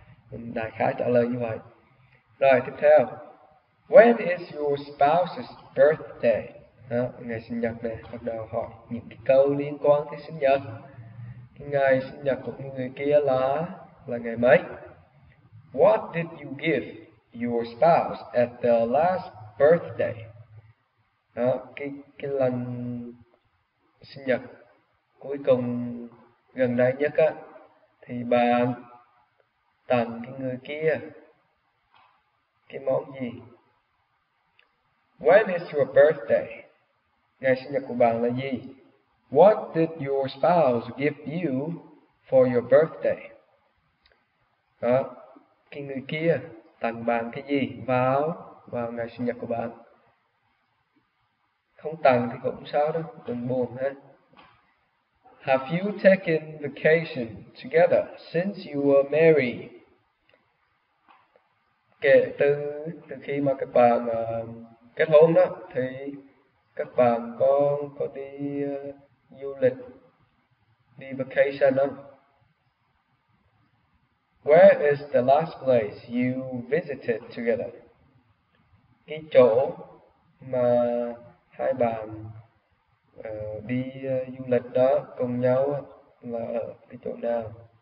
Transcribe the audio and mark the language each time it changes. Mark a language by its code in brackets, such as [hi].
[vi] Đại khái trả lời như vậy. Rồi, tiếp theo. [en] When is your spouse's birthday? [vi] Đó, ngày sinh nhật này, bắt đầu hỏi những cái câu liên quan tới sinh nhật. Ngày sinh nhật của người kia là ngày mấy? [en] What did you give your spouse at the last birthday? [vi] Đó, cái lần sinh nhật cuối cùng gần đây nhất á, thì bạn tặng cái người kia cái món gì? [en] When is your birthday? [vi] Ngày sinh nhật của bạn là gì? [en] What did your spouse give you for your birthday? [vi] Đó, cái người kia tặng bạn cái gì vào ngày sinh nhật của bạn? Không tặng thì cũng sao đâu, đừng buồn ha. [en] Have you taken vacation together since you were married? [vi] Kể từ khi mà các bạn kết hôn đó thì các bạn có đi du lịch, đi vacation không? [en] Where is the last place you visited together? [vi] Cái chỗ mà hai bạn đi du lịch đó cùng nhau là ở cái chỗ nào?